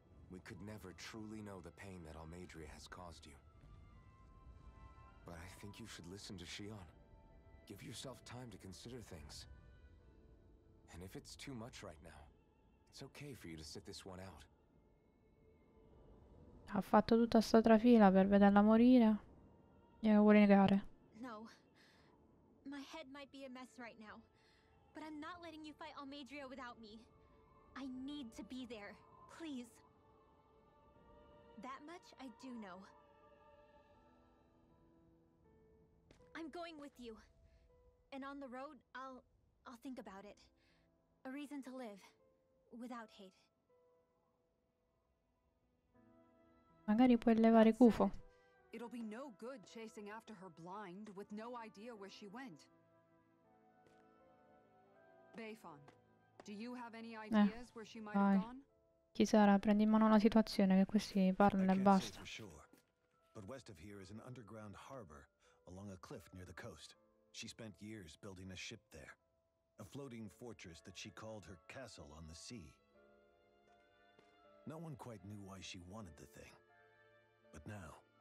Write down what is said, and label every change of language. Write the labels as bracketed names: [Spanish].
[English] We could never truly know the pain that Almadria has caused you. But I think you should listen to Shion. Give yourself time to consider things. And if it's too much right now, it's okay for you to sit this one out. [Italian] Ha fatto tutta sta trafila per vederla morire. Glielo vuole negare. [English] No. My head might be a mess right now, but I'm not letting you fight Almadria without me. I need to be there. Please. That much I do know. I'm going with you. And on the road, I'll think about it. A reason to live without hate. [Italian] Magari puoi levare Kufo. [English] It'll be no good chasing after her blind with no idea where she went. Beifon, do you have any ideas where she might have gone? [Italian] Chi sarà? Prendi in mano la situazione, che questi parlano e basta. [English] Sure. But west of here is an underground harbor along a cliff near the coast. She spent years building a ship there. A floating fortress that she called her castle on the sea. No one quite knew why she wanted the thing. But now...